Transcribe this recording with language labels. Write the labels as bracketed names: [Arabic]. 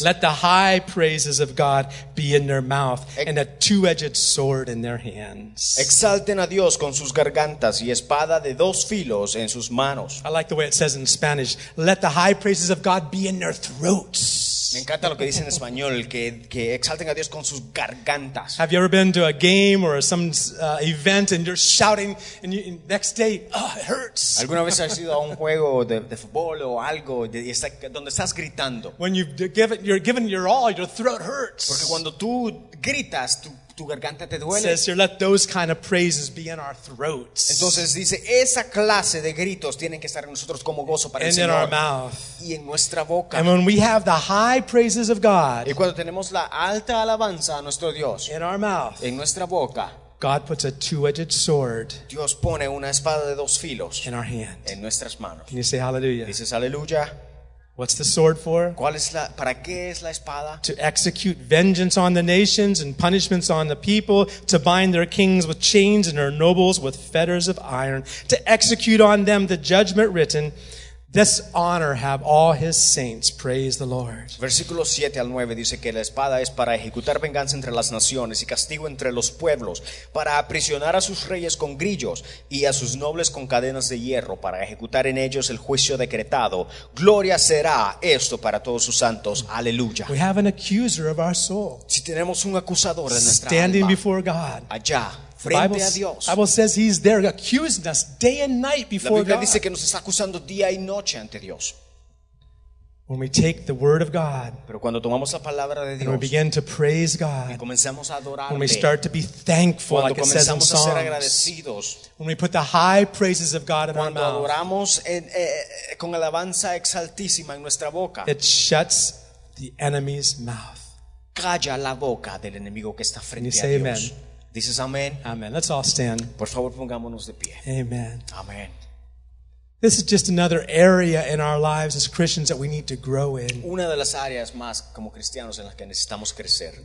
[English] Let the high praises of God be in their mouth and a two-edged sword in their hands. [Spanish] Exalten a Dios con sus gargantas y espada de dos filos en sus manos. [English] I like the way it says in Spanish, let the high praises of God be in their throats. [Spanish] Me encanta lo que dice en español, que exalten a Dios con sus gargantas. [English] Have you ever been to a game or some event and you're shouting and you, and next day, oh, it hurts. [Spanish] ¿Alguna vez has ido a un juego de fútbol o algo donde estás gritando? [English] When you're giving your all, your throat hurts. [Spanish] Porque cuando tú gritas, tu garganta te duele. [English] Says here, let those kind of praises be in our throats. [Spanish] Entonces dice, esa clase de gritos tienen que estar en nosotros como gozo para el Señor. [English] And in our mouth. [Spanish] Y en nuestra boca. [English] And when we have the high praises of God. [Spanish] Y cuando tenemos la alta alabanza a nuestro Dios. [English] In our mouth. [Spanish] En nuestra boca. [English] God puts a two-edged sword. [Spanish] Dios pone una espada de dos filos. [English] In our hand. [Spanish] En nuestras manos. [English] Can you say hallelujah? [Spanish] Dices hallelujah. [English] What's the sword for? [Spanish] ¿Cuál es para qué es la espada? [English] To execute vengeance on the nations and punishments on the people, to bind their kings with chains and their nobles with fetters of iron, to execute on them the judgment written, this honor have all his saints. Praise the Lord. [Spanish] Versículo 7 al 9 dice que la espada es para ejecutar venganza entre las naciones y castigo entre los pueblos, para aprisionar a sus reyes con grillos y a sus nobles con cadenas de hierro, para ejecutar en ellos el juicio decretado. Gloria será esto para todos sus santos. Aleluya. [English] We have an accuser of our soul. [Spanish] Si tenemos un acusador en nuestra [English] standing [Spanish] alma. [English] Standing before God. [Spanish] Allá. [English] The Bible says he's there accusing us day and night before God. [Spanish] La Biblia dice que nos está acusando día y noche ante Dios. [English] When we take the word of God, [Spanish] pero cuando tomamos la palabra de Dios, [English] and we begin to praise God, [Spanish] y comenzamos a adorarle, [English] when we start to be thankful, [Spanish] cuando [English] like it says in Psalms, [Spanish] comenzamos a ser agradecidos, [English] when we put the high praises of God in our mouth, [Spanish] cuando adoramos con alabanza exaltísima en nuestra boca, [English] it shuts the enemy's mouth. [Spanish] Calla la boca del enemigo que está frente a Dios. [English] Can you say amen? This is amen. Amen. Let's all stand. [Spanish] Por favor, pongámonos de pie. [English] Amen. [Spanish] Amen. [English] This is just another area in our lives as Christians that we need to grow in. [Spanish] Una de las áreas más como cristianos en las que necesitamos crecer.